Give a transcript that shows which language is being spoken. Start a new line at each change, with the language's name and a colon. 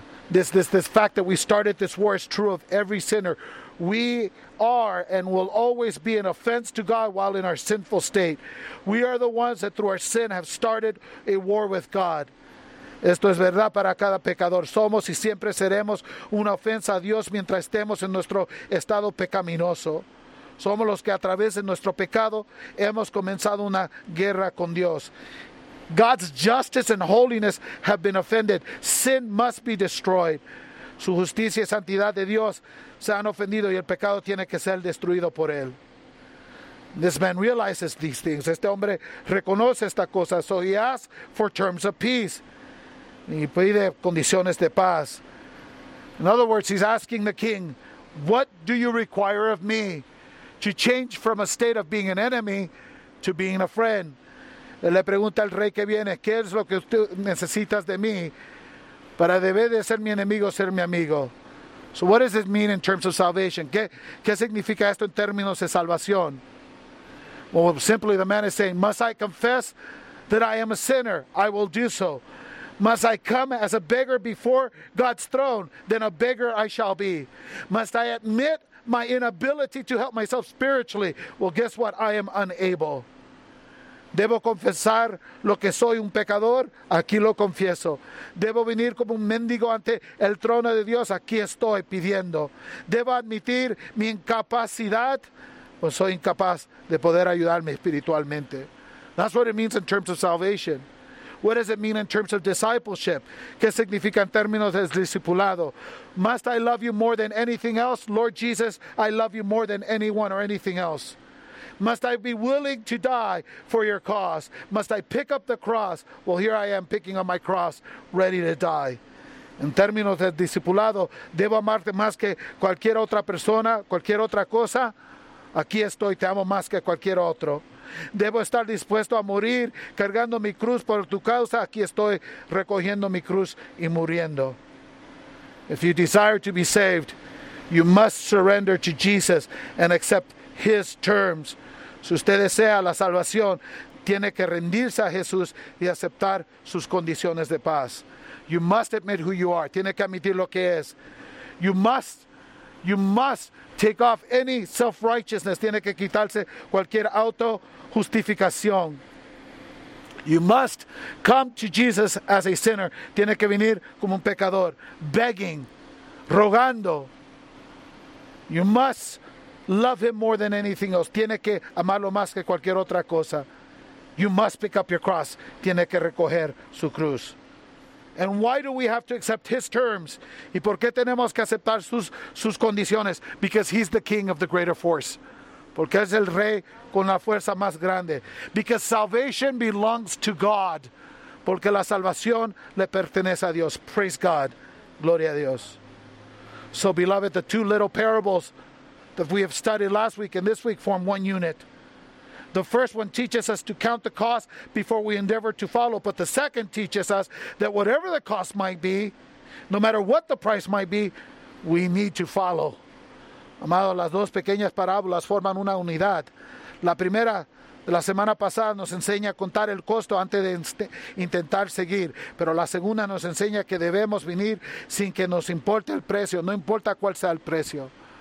English: This fact that we started this war is true of every sinner. We are and will always be an offense to God while in our sinful state. We are the ones that through our sin have started a war with God.
Spanish: Esto es verdad para cada pecador. Somos y siempre seremos una ofensa a Dios mientras estemos en nuestro estado pecaminoso. Somos los que a través de nuestro pecado hemos comenzado una guerra con Dios.
English: God's justice and holiness have been offended. Sin must be destroyed.
Spanish: Su justicia y santidad de Dios se han ofendido y el pecado tiene que ser destruido por él.
English: This man realizes these things.
Spanish: Este hombre reconoce esta cosa.
English: So he asks for terms of peace.
Spanish: Y pide condiciones de paz.
English: In other words, he's asking the king, what do you require of me to change from a state of being an enemy to being a friend?
Spanish: Le pregunta al rey que viene, ¿qué es lo que tú necesitas de mí para deber de ser mi enemigo, ser mi amigo?
English: So what does this mean in terms of salvation?
Spanish: ¿Qué significa esto en términos de salvación?
English: Well, simply the man is saying, must I confess that I am a sinner? I will do so. Must I come as a beggar before God's throne? Then a beggar I shall be. Must I admit my inability to help myself spiritually? Well, guess what? I am unable.
Spanish: ¿Debo confesar lo que soy un pecador? Aquí lo confieso. ¿Debo venir como un mendigo ante el trono de Dios? Aquí estoy pidiendo. ¿Debo admitir mi incapacidad? Pues soy incapaz de poder ayudarme espiritualmente.
English: That's what it means in terms of salvation. What does it mean in terms of discipleship?
Spanish: ¿Qué significa en términos del discipulado?
English: Must I love you more than anything else? Lord Jesus, I love you more than anyone or anything else. Must I be willing to die for your cause? Must I pick up the cross? Well, here I am picking up my cross, ready to die.
Spanish: En términos del discipulado, ¿debo amarte más que cualquier otra persona, cualquier otra cosa? Aquí estoy, te amo más que cualquier otro. ¿Debo estar dispuesto a morir cargando mi cruz por tu causa? Aquí estoy recogiendo mi cruz y muriendo.
English: If you desire to be saved, you must surrender to Jesus and accept His terms.
Spanish: Si usted desea la salvación, tiene que rendirse a Jesús y aceptar sus condiciones de paz.
English: You must admit who you are.
Spanish: Tiene que admitir lo que es.
English: You must take off any self-righteousness.
Spanish: Tiene que quitarse cualquier auto-justificación.
English: You must come to Jesus as a sinner.
Spanish: Tiene que venir como un pecador, begging, rogando.
English: You must Love him more than anything else.
Spanish: Tiene que amarlo más que cualquier otra cosa.
English: You must pick up your cross.
Spanish: Tiene que recoger su cruz.
English: And why do we have to accept his terms?
Spanish: ¿Y por qué tenemos que aceptar sus condiciones?
English: Because he's the king of the greater force.
Spanish: Porque es el rey con la fuerza más grande.
English: Because salvation belongs to God.
Spanish: Porque la salvación le pertenece a Dios.
English: Praise God.
Spanish: Gloria a Dios.
English: So, beloved, the two little parables that we have studied last week and this week form one unit. The first one teaches us to count the cost before we endeavor to follow. But the second teaches us that whatever the cost might be, no matter what the price might be, we need to follow.
Spanish: Amado, las dos pequeñas parábolas forman una unidad. La primera, la semana pasada, nos enseña a contar el costo antes de intentar seguir. Pero la segunda nos enseña que debemos venir sin que nos importe el precio, no importa cuál sea el precio.